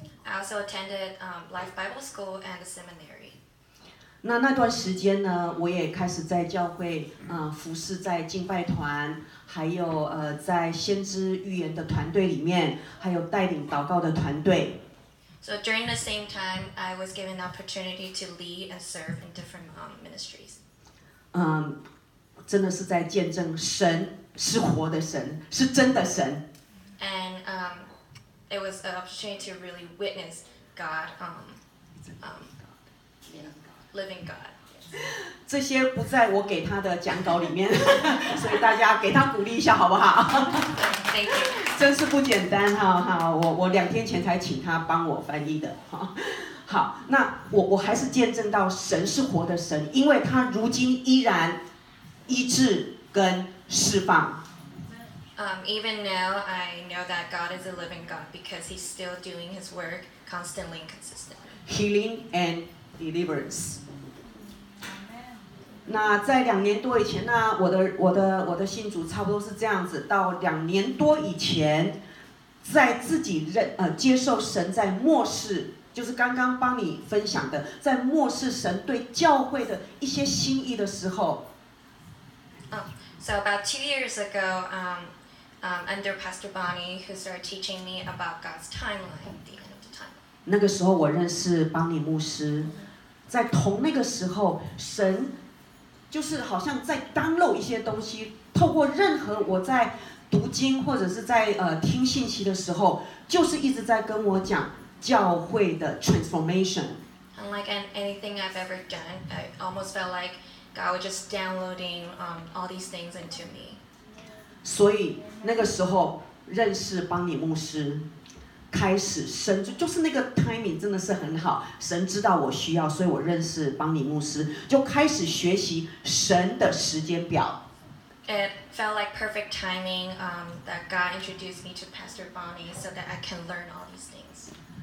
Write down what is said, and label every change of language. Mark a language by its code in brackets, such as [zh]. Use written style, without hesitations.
[en] I also attended Life Bible School and the seminary. [zh] 那段时间呢，我也开始在教会，服侍在敬拜团。还有在先知预言的团队里面，还有带领祷告的团队。 [en] So during the same time, I was given the opportunity to lead and serve in different ministries. [zh] 真的是在见证神是活的神，是真的神。 [en] And it was an opportunity to really witness God, living God. [zh] 这些不在我给他的讲稿里面，所以大家给他鼓励一下好不好？ [en] Thank you. [zh] 真是不简单哈，我两天前才请他帮我翻译的。好，那我还是见证到神是活的神，因为他如今依然医治跟释放。 [en] Even now I know that God is a living God because he's still doing his work constantly and consistently. Healing and deliverance. [zh] 那在两年多以前呢，我的信主差不多是这样子。到两年多以前，在自己接受神在末世，就是刚刚帮你分享的，在末世神对教会的一些心意的时候。 [en] So about 2 years ago, under Pastor Bonnie, who started teaching me about God's timeline, the end of the time. [zh] 那个时候我认识邦尼牧师，在同那个时候神。就是好像在download一些东西，透过任何我在读经或者是在听信息的时候，就是一直在跟我讲教会的 transformation. [en] Unlike anything I've ever done, I almost felt like God was just downloading all these things into me. [zh] 所以那个时候认识邦尼牧师，开始神就是那个 timing 真的是很好，神知道我需要，所以我认识邦尼牧师，就开始学习神的时间表。 [en] It felt like perfect timing, that God introduced me to Pastor Bonnie so that I can learn all these things.